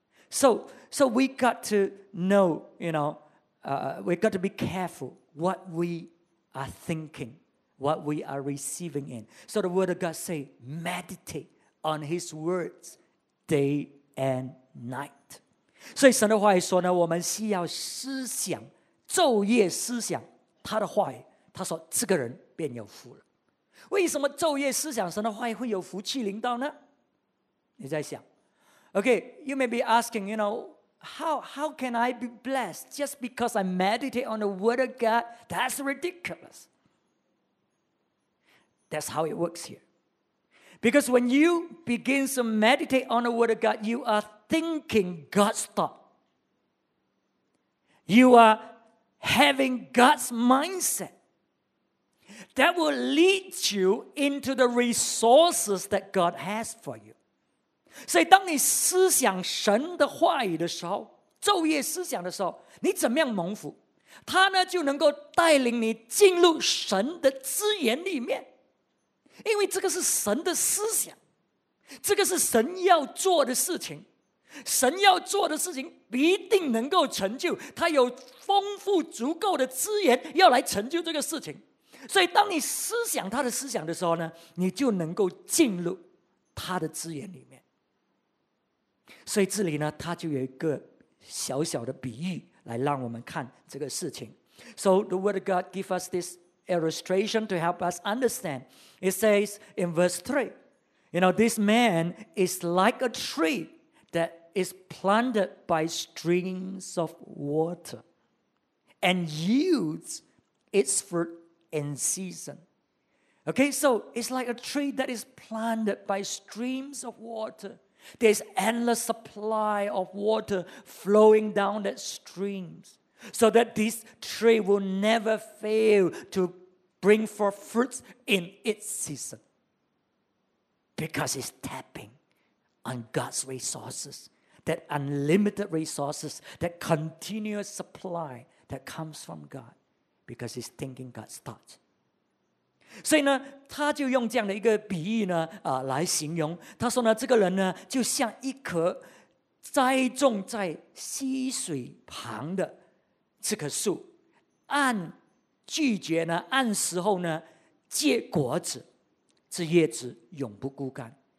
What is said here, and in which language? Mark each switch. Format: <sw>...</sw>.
<en>So we got to know, you know, we got to be careful what we are thinking, what we are receiving in. So the word of God say, meditate on his words day and night.</en> <zh>所以神的话语说呢，我们需要思想，昼夜思想他的话语。他说这个人便有福了。为什么昼夜思想神的话语会有福气临到呢？你在想。</zh> <en>Okay, you may be asking, you know, how can I be blessed just because I meditate on the word of God? That's ridiculous. That's how it works here. Because when you begin to meditate on the word of God, you are thinking God's thought. You are having God's mindset. That will lead you into the resources that God has for you.</en> <zh>所以当你思想神的话语的时候，昼夜思想的时候，你怎么样蒙福，他呢就能够带领你进入神的资源里面。因为这个是神的思想，这个是神要做的事情，神要做的事情必定能够成就，他有丰富足够的资源要来成就这个事情。所以当你思想他的思想的时候呢，你就能够进入他的资源里面。所以这里呢，他就有一个小小的比喻来让我们看这个事情。</zh> <en>So the word of God give us this illustration to help us understand. It says in verse 3, you know, this man is like a tree that is planted by streams of water and yields its fruit in season. Okay, so it's like a tree that is planted by streams of water. There's endless supply of water flowing down that streams, so that this tree will never fail to bring forth fruits in its season, because it's tapping on God's resources, that unlimited resources, that continuous supply that comes from God, because he's thinking God's thoughts.</en> <zh>所以呢，他就用这样的一个比喻呢，来形容。他说呢，这个人呢，就像一棵栽种在溪水旁的这棵树，按季节呢，按时候呢，结果子，这叶子永不枯干。</zh>